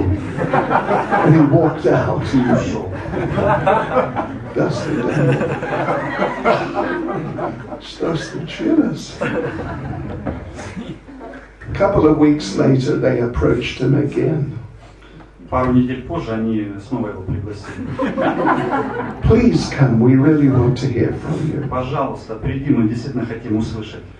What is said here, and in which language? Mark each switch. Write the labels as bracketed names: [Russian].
[English] And he walked out and [Russian] ушел. [English] Dusty down. [Russian] Что случилось? [English] A couple of weeks later, they approached him again. [Russian] Пару недель позже они снова его пригласили. [English] Please come, we really want to hear from you. [Russian] Пожалуйста, приди, мы действительно хотим услышать.